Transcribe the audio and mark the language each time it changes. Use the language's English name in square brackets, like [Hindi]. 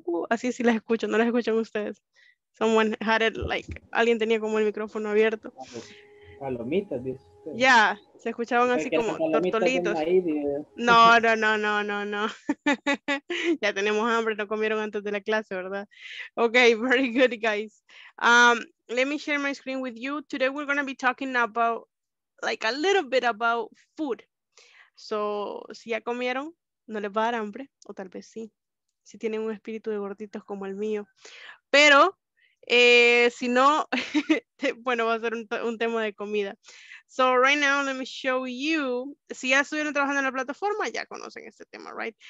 [Spanish] Así sí las escucho, no las escuchan ustedes. [English] Someone had it like, [Spanish] alguien tenía como el micrófono abierto. Palomitas, dice. Ya, yeah, se escuchaban así como tortolitos. No. Ya tenemos hambre, no comieron antes de la clase, ¿verdad? [English] Okay, very good, guys. Let me share my screen with you. Today we're going to be talking about, like, a little bit about food. [Spanish] So, si ya comieron, no les va a dar hambre, o tal vez sí. Si tienen un espíritu de gorditos como el mío. Pero, si no, bueno, va a ser un tema de comida. [English] So right now, let me show you. [Spanish] Si ya estuvieron trabajando en la plataforma, ya conocen este tema, right?